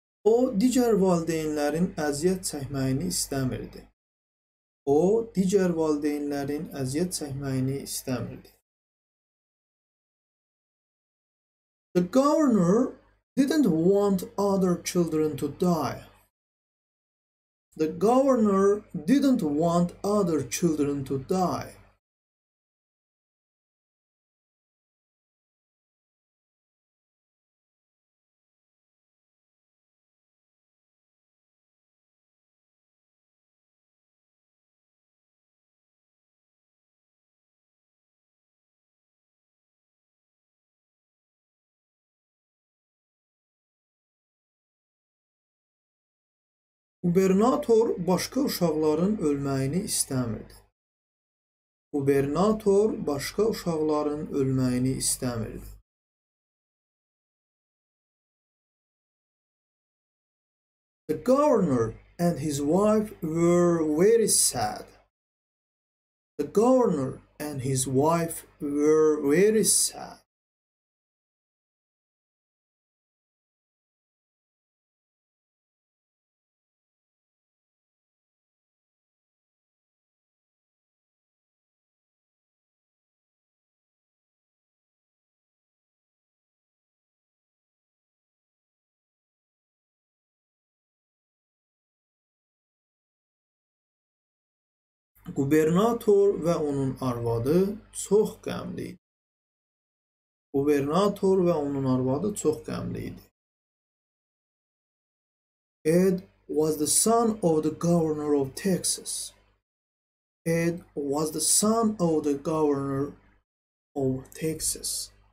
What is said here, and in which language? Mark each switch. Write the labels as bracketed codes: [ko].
[az] O, digər valideynlərin əziyyət çəkməyini istəmirdi. O, digər valideynlərin əziyyət çəkməyini istəmirdi. [en] The governor didn't want other children to die. The governor didn't want other children to die. [az] Qubernator başqa uşaqların ölməyini istəmirdi. Qubernator başqa uşaqların ölməyini istəmirdi. [en] The governor and his wife were very sad. The governor and his wife were very sad. [az] Qubernator və onun arvadı çox qəmli idi. Qubernator və onun arvadı çox qəmli idi. [en] Ed was the son of the governor of Texas. Ed was the son of the governor of Texas.